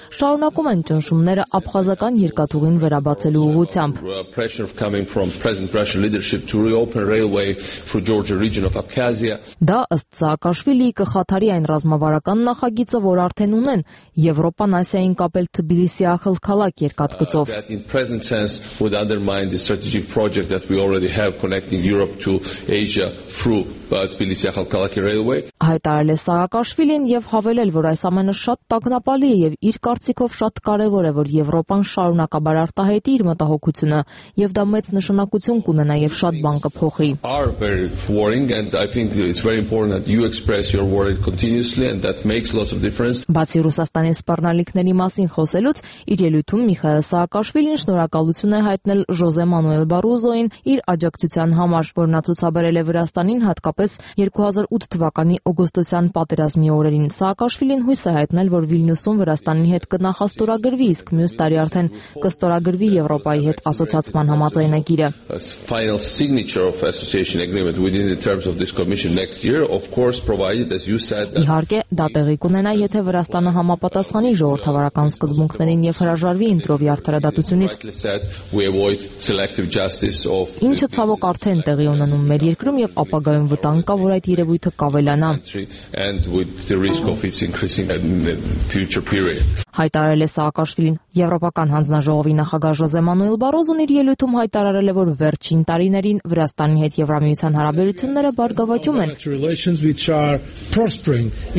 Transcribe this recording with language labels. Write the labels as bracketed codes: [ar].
[hy] շարունակում են ճնշումները աբխազական երկաթուղին վերաբացելու ուղղությամբ։ Դա ըստ Սաակաշվիլի կխաթարի այն ռազմավարական նախագիծը, որ արդեն ունեն Եվրոպան Ասիային կապել Թբիլիսի ախալքալակ երկաթգծով։ [en] In present sense would undermine the strategic project that we already have connecting Europe to Asia through Tbilisi-Akhalkalaki railway. [hy] Հայտարարել է Սաակաշվիլին և հավելել, որ այս ամենը շատ տակնապալի է և իր կարծիքով շատ կարևոր է, որ Եվրոպան շարունակաբար արտահայտի իր մտահոգությունը, և դա մեծ նշանակություն կունենա և շատ բան կփոխի։ [en] Are very worrying and I think it's very important that you express your worry continuously and that makes lots of difference. [hy] Բացի Ռուսաստանի սպառնալիքների մասին խոսելուց, իր ելույթում Միխայել Սաակաշվիլին շնորհակալություն է հայտնել Ժոզե Մանուել Բարուզոին իր աջակցության համար, որ նա ցուցաբերել է Վրաստանին հատկապես 2008 թվականի օգոստոսյան պատերազմի օրերին։ Սաակաշվիլին հույս է հայտնել, որ Վիլնյուսում Վրաստանի հետ կնախաստորագրվի, իսկ մյուս տարի արդեն կստորագրվի Եվրոպայի հետ ասոցիացման համաձայնագիրը. [en] Final signature of association agreement within the terms of this commission next year, of course, provided as you said. [hy] Իհարկե, դա տեղի կունենա, եթե Վրաստանը համապատասխանի ժողովրդավարական սկզբունքներին եւ հրաժարվի ինտրովի արդարադատությունից։ Ինչը ցավոք արդեն տեղի ունենում մեր երկրում եւ ապագայում վտանգ կա, որ այդ երևույթը կավելանա։ Հայտարարել է Սաակաշվիլին։ Եվրոպական հանձնաժողովի նախագահ Ժոզե Մանուել Բարոզոն իր ելույթում հայտարարել է, որ վերջին տարիներին Վրաստանի հետ Եվրամիության հարաբերությունները բարգավաճում են։